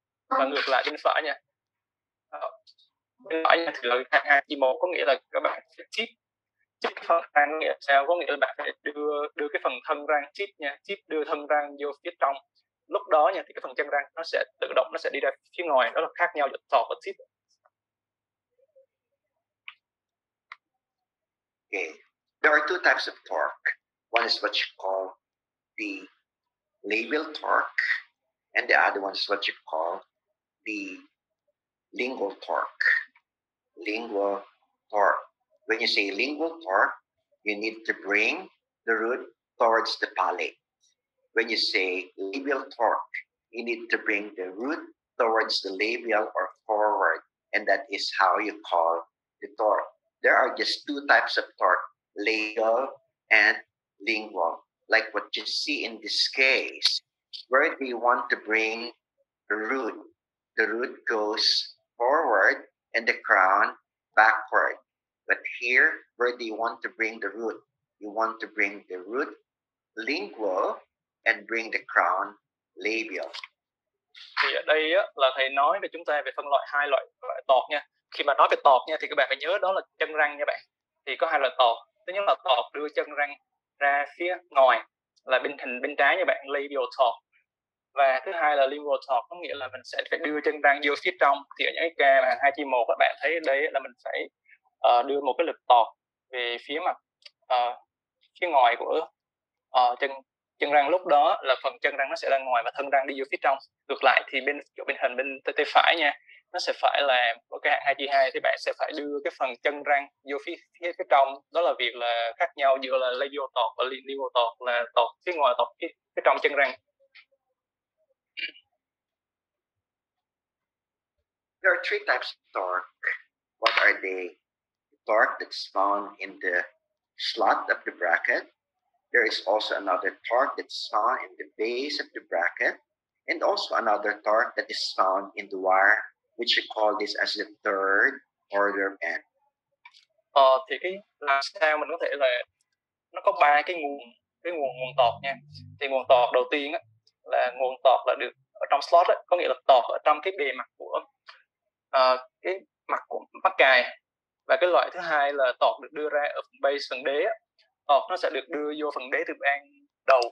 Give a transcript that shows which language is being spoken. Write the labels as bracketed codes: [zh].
[vi] Và ngược lại bên phải nha, bên phải nha, thì là hạng 2-1, có nghĩa là các bạn sẽ chip. Chip cái phần răng nghĩa là sao? Có nghĩa là bạn phải đưa cái phần thân răng chip nha, chip đưa thân răng vô phía trong. Lúc đó nha, thì cái phần chân răng nó sẽ tự động, nó sẽ đi ra phía ngoài, đó là khác nhau giữa tọt và chip. [en] Okay. There are two types of torque. One is what you call the labial torque, and the other one is what you call the lingual torque. Lingual torque. When you say lingual torque, you need to bring the root towards the palate. When you say labial torque, you need to bring the root towards the labial or forward, and that is how you call the torque. There are just two types of torque, labial and lingual. Like what you see in this case, where we want to bring the root goes forward and the crown backward. But here, where do you want to bring the root? You want to bring the root lingual and bring the crown labial. [vi] Thì ở đây á, là thầy nói về chúng ta về phân loại hai loại tọt nha. Khi mà nói về tọt nha, thì các bạn phải nhớ đó là chân răng nha bạn. Thì có hai loại tọt. Thứ nhất là tọt đưa chân răng ra phía ngoài, là bên hình bên trái nha bạn, labial tọt. Và thứ hai là lingual tọt, có nghĩa là mình sẽ phải đưa chân răng vô phía trong. Thì ở những cái ca mà 2-1 các bạn thấy đây là mình phải đưa một cái lực tọt về phía mặt phía ngoài của chân răng. Lúc đó là phần chân răng nó sẽ ra ngoài và thân răng đi vô phía trong. Ngược lại thì bên chỗ bên hình bên tay phải nha, nó sẽ phải là một cái hạng 2-2, thì bạn sẽ phải đưa cái phần chân răng vô phía trong. Đó là việc là khác nhau giữa là labial tọt và lingual tọt, là tọt phía ngoài, tọt phía trong chân răng. [en] There are three types of torque. What are they? The torque that's found in the slot of the bracket. There is also another torque that's found in the base of the bracket. And also another torque that is found in the wire, which you call this as the third order band. [vi] Thì cái làm sao mình có thể là nó có ba cái nguồn tọt nha. Thì nguồn tọt đầu tiên á, là nguồn tọt là được ở trong slot á, có nghĩa là tọt ở trong cái bề mặt của cái mặt của mắc cài. Và cái loại thứ hai là tọt được đưa ra ở phần base, phần đế á. Tọt nó sẽ được đưa vô phần đế từ ban đầu.